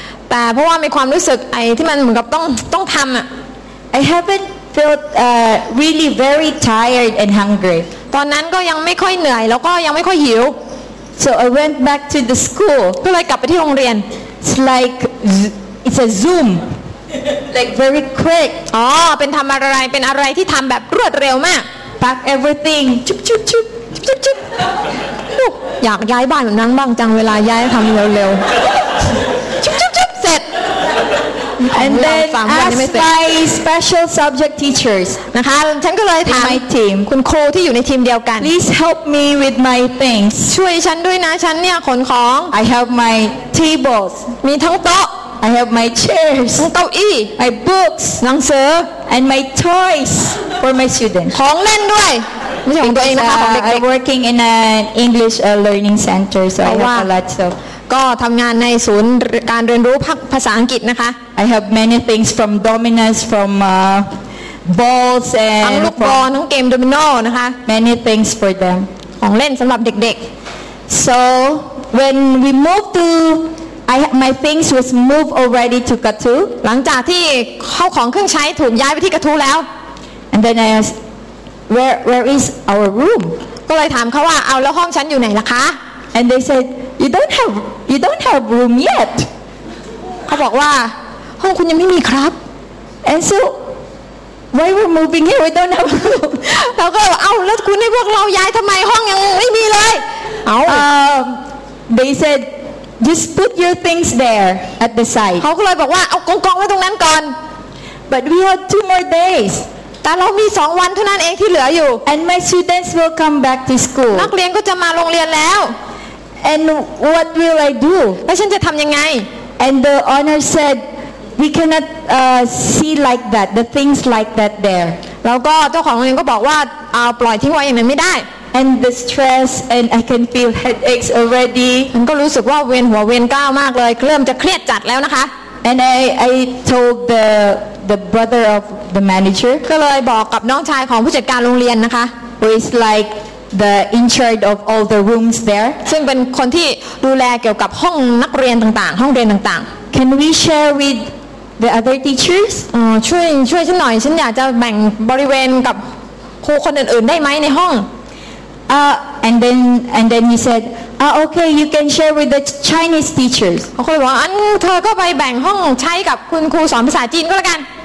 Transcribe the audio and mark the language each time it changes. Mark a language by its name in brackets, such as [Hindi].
[Thai] แต่เพราะว่ามีความรู้สึกไอ้ที่มันเหมือนกับต้องทำอะ [English] I haven't felt really very tired and hungry. [Thai] ตอนนั้นก็ยังไม่ค่อยเหนื่อยแล้วก็ยังไม่ค่อยหิว [English] So I went back to the school. [Thai] ก็เลยกลับไปที่โรงเรียน [English] It's like it's a Zoom. Like very quick [Thai] อ๋อเป็นทำอะไรเป็นอะไรที่ทำแบบรวดเร็วมาก [English] pack everything ชุบชุบชุบชุบชุบ [Thai] ลูกอยากย้ายบ้านแบบนั้นบ้างจังเวลาย้ายทำเร็วๆชุบชุบชุบเสร็จ [English] and then ask my special subject teachers [Thai] นะคะฉันก็เลยถาม [English] my team [Thai] คุณครูที่อยู่ในทีมเดียวกัน [English] please help me with my things [Thai] ช่วยฉันด้วยนะฉันเนี่ยขนของ [English] I have my tables [Thai] มีทั้งโต๊ะ [English] I have my chairs, my books, [Thai] หนังสือ [English] and my toys for my students. [Thai] ของเล่นด้วยไม่ใช่ของตัวเองนะคะของเด็กๆ [English] I'm working in an English learning center, so I have a lot of. [Thai] ก็ทำงานในศูนย์การเรียนรู้ภาษาอังกฤษนะคะ [English] I have many things from dominoes, from balls and [Thai] ทั้งลูกบอลทั้งเกมโดมิโนนะคะ [English] Many things for them. [Thai] ของเล่นสำหรับเด็ก [English] ๆ So when we move toMy things was moved already to Katu. [Thai] หลังจากที่ข้าวของเครื่องใช้ถูกย้ายไปที่กระทู้แล้ว [English] And then I asked, where is our room? [Thai] ก็เลยถามเขาว่าเอาแล้วห้องฉันอยู่ไหนล่ะคะ [English] And they said, you don't have room yet. [Thai] เขาบอกว่าห้องคุณยังไม่มีครับ [English] And so, why we're moving here? We don't have room. [Thai] แล้วก็เอาแล้วคุณให้พวกเราย้ายทำไมห้องยังไม่มีเลยเอา [English] They said. Just put your things there at the side. [Thai] เขาก็เลยบอกว่าเอากองๆไว้ตรงนั้นก่อน [English] But we have 2 more days. [Thai] แต่เรามี2 วันเท่านั้นเองที่เหลืออยู่ [English] And my students will come back to school. [Thai] นักเรียนก็จะมาโรงเรียนแล้ว [English] And what will I do? [Thai] แล้วฉันจะทำยังไง [English] And the owner said, we cannot see like that the things like that there. [Thai] แล้วก็เจ้าของโรงเรียนก็บอกว่าเอาปล่อยทิ้งไว้อย่างนั้นไม่ได้ [English] And the stress, and I can feel headaches already. [Thai] ฉันก็รู้สึกว่าเวียนหัวเวียนก้าวมากเลยเริ่มจะเครียดจัดแล้วนะคะ [English] And I told the brother of the manager. [Thai] ก็เลยบอกกับน้องชายของผู้จัดการโรงเรียนนะคะ [English] Who is like the in charge of all the rooms there? [Thai] ซึ่งเป็นคนที่ดูแลเกี่ยวกับห้องนักเรียนต่างๆห้องเรียนต่าง [English] ๆ Can we share with the other teachers? [Thai] ช่วยฉันหน่อยฉันอยากจะแบ่งบริเวณกับครูคนอื่นๆได้ไหมในห้อง [English] And then he said, okay, you can share with the Chinese teachers. Okay, well, and [Thai] เธอก็ไปแบ่งห้องใช้กับคุณครูสอนภาษาจีนก็แล้วกัน